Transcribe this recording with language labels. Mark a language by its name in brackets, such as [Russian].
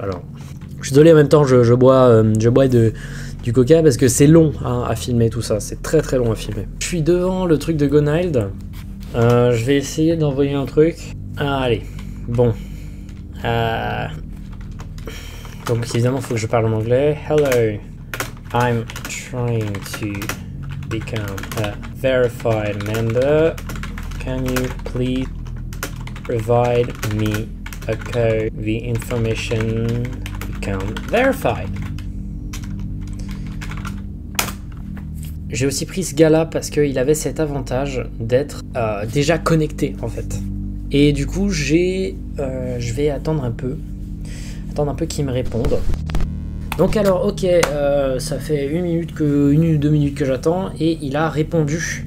[French] Alors, je suis désolé, en même temps je bois du coca parce que c'est long hein, à filmer tout ça, c'est très très long à filmer. Je suis devant le truc de Gonild. Je vais essayer d'envoyer un truc. Ah, allez, bon. Donc évidemment, il faut que je parle en anglais. [English] Hello, I'm trying to become a verified member. Can you please provide me a code, the information to become verified? [French] J'ai aussi pris ce gars-là parce qu'il avait cet avantage d'être déjà connecté, en fait. Et du coup, je vais attendre un peu qu'il me réponde. Donc alors, ok, ça fait une ou deux minutes que j'attends, et il a répondu,